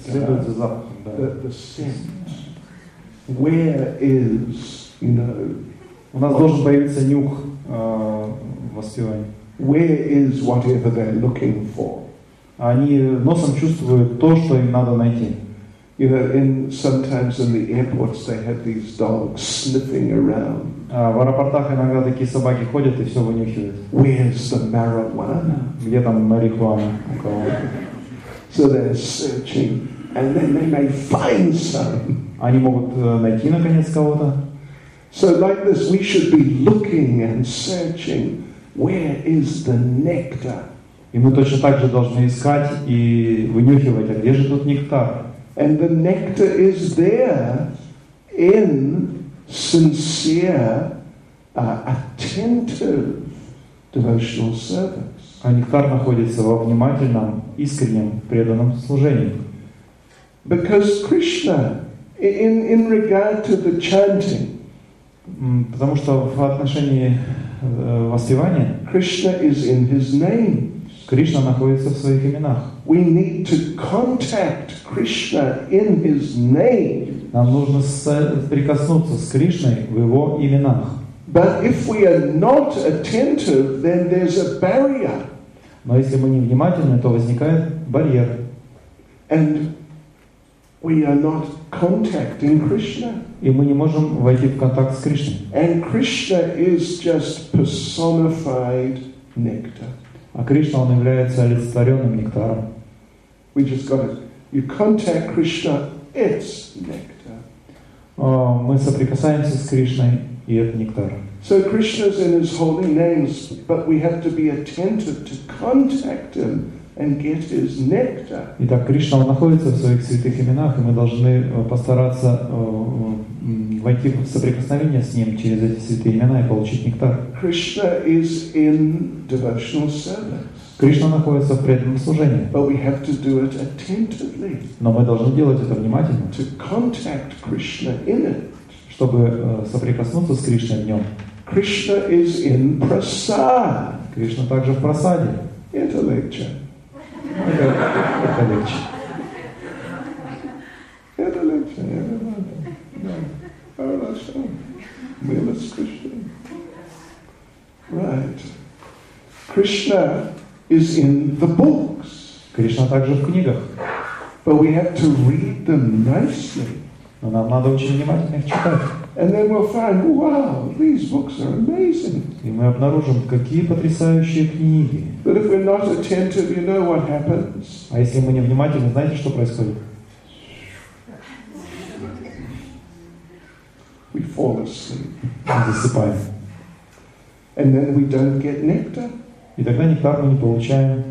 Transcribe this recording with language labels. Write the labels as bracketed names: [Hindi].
[Russian] за запахом, да. [English] The scent. Where is, you know, [Russian] у нас должен появиться нюх в воспевании. [English] Where is whatever they're looking for? [Russian] Они носом чувствуют то, что им надо найти. [English] You know, sometimes in the airports they have these dogs sniffing around. [Russian] В аэропортах иногда такие собаки ходят и все вынюхивают. [English] Where's the marijuana? [Russian] Где там марихуана? [English] So they're searching, and then they may find some. [Russian] Они могут найти наконец кого-то. [English] So like this, we should be looking and searching. Where is the nectar? [Russian] И мы точно так же должны искать и вынюхивать, а где же тут нектар? [English] And the nectar is there in sincere, attentive devotional service. [Russian] А нектар находится во внимательном, искреннем, преданном служении. [English] Because Krishna, in regard to the chanting, [Russian] потому что в отношении воспевания, [English] Krishna is in his name. [Russian] Кришна находится в своих именах. [English] We need to contact Krishna in his name. [Russian] Нам нужно прикоснуться с Кришной в его именах. [English] But if we are not attentive, then there's a barrier. [Russian] Но если мы не внимательны, то возникает барьер. [English] And we are not contacting Krishna. [Russian] И мы не можем войти в контакт с Кришной. [English] And Krishna is just personified nectar. [Russian] А Кришна, он является олицетворенным нектаром. [English] We just got to You contact Krishna, it's nectar. [Russian] Мы соприкасаемся с Кришной, и это нектар. [English] So Krishna's in his holy names, but we have to be attentive to contact him and get his nectar. [Russian] Итак, Кришна находится в своих святых именах, и мы должны постараться войти в соприкосновение с ним через эти святые имена и получить нектар. [English] Krishna is in devotional service. [Russian] Кришна находится в преданном служении. [English] But we have to do it attentively. [Russian] Но мы должны делать это внимательно. [English] To contact Krishna in it. [Russian] Чтобы соприкоснуться с Кришной в нем. [English] Krishna is in prasad. [Russian] Кришна также в прасаде. Это легче. Это легче. Это легче. Хорошо. Милость Кришна. Right. [English] Krishna is in the books. [Russian] Кришна также в книгах. [English] But we have to read them nicely. [Russian] Но нам надо очень внимательно их читать. [English] And then we'll find, wow, these books are amazing. [Russian] И мы обнаружим, какие потрясающие книги. [English] But if we're not attentive, you know what happens. [Russian] А если мы невнимательны, знаете, что происходит? [English] We fall asleep. [Russian] Мы засыпаем. [English] And then we don't get nectar. [Russian] И тогда нектар мы не получаем.